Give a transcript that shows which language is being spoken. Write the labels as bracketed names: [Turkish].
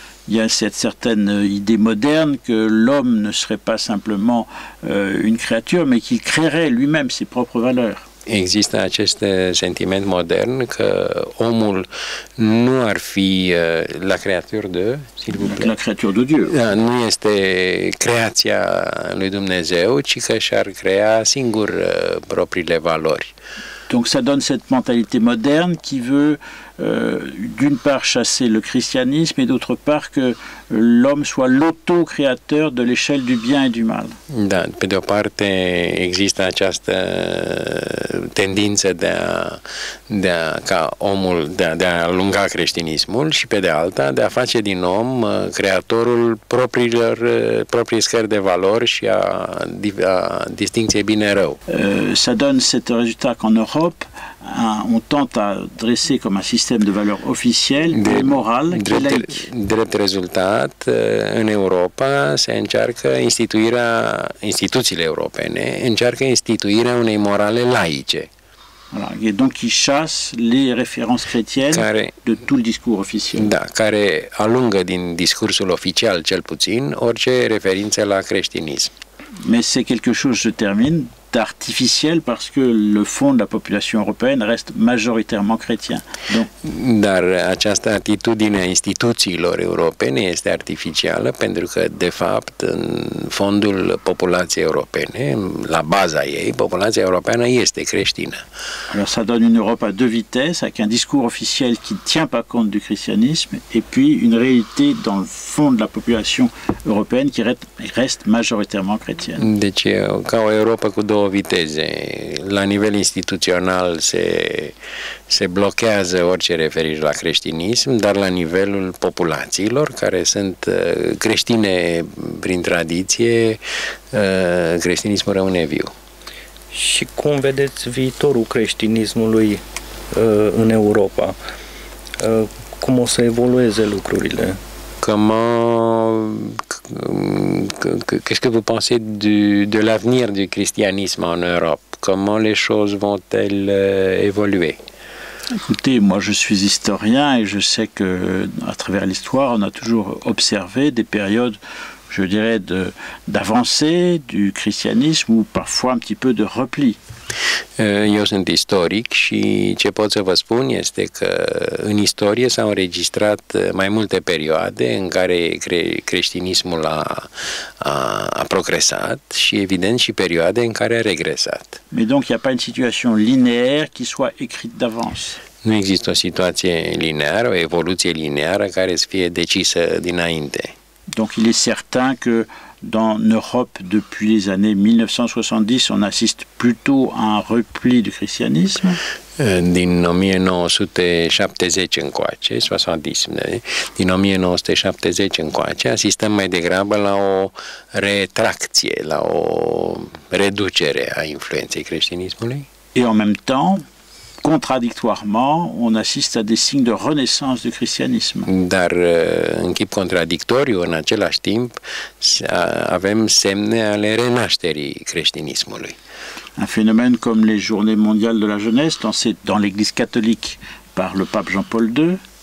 [French] Il y a cette certaine idée moderne que l'homme ne serait pas simplement une créature, mais qu'il créerait lui-même ses propres valeurs. [Romanian] Există acest sentiment modern că omul nu ar fi la creatură de, [French] s'il vous plaît. La créature de Dieu. [Romanian] Nu este creația lui Dumnezeu, ci că și-ar crea singur propriile valori. [French] Donc ça donne cette mentalité moderne qui veut d'une part chasser le christianisme et d'autre part que l'homme soit l'auto-créateur de l'échelle du bien et du mal. [Romanian] Da, pe de-o parte există această tendință de a alunga creștinismul și pe de alta de a face din om creatorul propriei scări de valori și a distincției bine-rău. [French] Ça donne cet résultat qu'en Europe on tente à dresser comme un système de valeurs officielles, de morale, de laïque. [Romanian] Drept rezultat, în Europa se încearcă instituțiile europene încearcă instituirea unei morale laice. [French] Voilà, et donc qui chasse les références chrétiennes [Romanian] care, [French] de tout le discours officiel. [Romanian] Da, care alungă din discursul oficial, cel puțin, orice referință la creștinism. [French] Mais c'est quelque chose, je termine, artificiel parce que le fond de la population européenne reste majoritairement chrétien. Donc, [Romanian] dar această atitudine a instituțiilor europene este artificială pentru că de fapt în fondul populației europene, la baza ei, populația europeană este creștină. [French] Alors ça donne une Europe à deux vitesses avec un discours officiel qui tient pas compte du christianisme et puis une réalité dans le fond de la population européenne qui reste majoritairement chrétienne. [Romanian] Deci ca o Europa cu două viteze. La nivel instituțional se blochează orice referire la creștinism, dar la nivelul populațiilor, care sunt creștine prin tradiție, creștinismul rămâne viu. Și cum vedeți viitorul creștinismului în Europa? Cum o să evolueze lucrurile? [French] Qu'est-ce que vous pensez de l'avenir du christianisme en Europe? Comment les choses vont-elles évoluer? Écoutez, moi je suis historien et je sais que à travers l'histoire, on a toujours observé des périodes, je dirais, d'avancée du christianisme ou parfois un petit peu de repli. [Romanian] Eu sunt istoric și ce pot să vă spun este că în istorie s-au înregistrat mai multe perioade în care creștinismul a progresat și evident și perioade în care a regresat. [French] Mais donc il y a pas une situation linéaire qui soit écrite d'avance. [Romanian] Nu există o situație lineară, o evoluție lineară care să fie decisă dinainte. [French] Donc il est certain que dans l'Europe, depuis les années 1970, on assiste plutôt à un repli du christianisme. [Romanian] Din 1970 încoace, 70, din 1970 încoace, asistăm mai degrabă la o retracție, la o reducere a influenței creștinismului. [French] Et en même temps, contradictoirement, on assiste à des signes de renaissance du christianisme. [Romanian] Dar în chip contradictoriu, în același timp, avem semne ale renașterii creștinismului. [French] Un phénomène comme les journées mondiales de la jeunesse lancées dans l'Église catholique par le pape Jean-Paul II.